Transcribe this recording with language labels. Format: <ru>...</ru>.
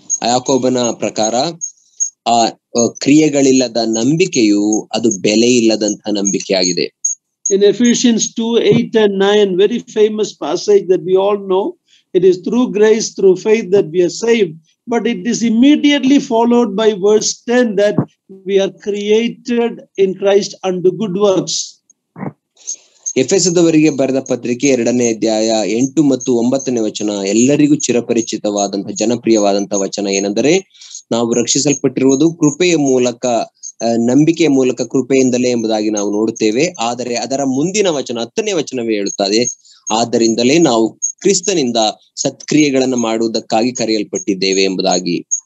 <kn>ಯಾಕೋಬನ ಪ್ರಕಾರ ಆ ಕ್ರಿಯೆಗಳಿಲ್ಲದ ನಂಬಿಕೆಯು ಅದು ಬೆಲೆ ಇಲ್ಲದಂತ ನಂಬಿಕೆ ಆಗಿದೆ.</kn> <en>In Ephesians 2:8-9, very famous passage that we all know, it is through grace through faith that we are saved, but it is immediately followed by verse 10 that we are created in Christ unto good works.</en> <kn>ಎಫೆಸದವರಿಗೆ ಬರೆದ ಪತ್ರಿಕೆ 2:8-9 ವಚನ ಎಲ್ಲರಿಗೂ ಚಿರಪರಿಚಿತವಾದಂತಹ ಜನಪ್ರಿಯವಾದಂತಹ ವಚನ ಏನೆಂದರೆ ನಾವು ರಕ್ಷಿಸಲ್ಪಟ್ಟಿರುವುದು ಕೃಪೆಯ ಮೂಲಕ ನಂಬಿಕೆಯ ಮೂಲಕ ಕೃಪೆಯಿಂದಲೇ ಎಂಬುದಾಗಿ ನಾವು ನೋಡುತ್ತೇವೆ. ಆದರೆ ಅದರ ಮುಂದಿನ ವಚನ 10 ಹೇಳುತ್ತದೆ, ಆದ್ದರಿಂದಲೇ ನಾವು ಕ್ರಿಸ್ತನಿಂದ ಸತ್ಕ್ರಿಯೆಗಳನ್ನು ಮಾಡುವುದಕ್ಕಾಗಿ ಕರೆಯಲ್ಪಟ್ಟಿದ್ದೇವೆ ಎಂಬುದಾಗಿ.</kn>